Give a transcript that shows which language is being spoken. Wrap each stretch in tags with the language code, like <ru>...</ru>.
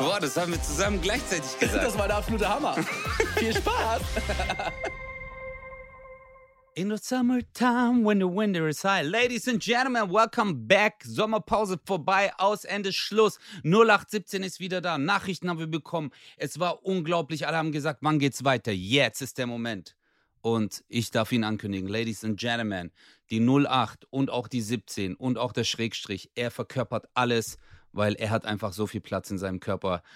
<de>Boah, das haben wir zusammen gleichzeitig gesagt. Das war der absolute Hammer. Viel Spaß.</de> <en>In the summertime, when the winter is high. Ladies and Gentlemen, welcome back.</en> <de>Sommerpause vorbei, aus, Ende, Schluss. 0817 ist wieder da. Nachrichten haben wir bekommen. Es war unglaublich. Alle haben gesagt, wann geht's weiter? Jetzt ist der Moment. Und ich darf ihn ankündigen.</de> <en>Ladies and Gentlemen,</en> <de>die 08 und auch die 17 und auch der Schrägstrich. Er verkörpert alles, weil er hat einfach so viel Platz in seinem Körper.</de>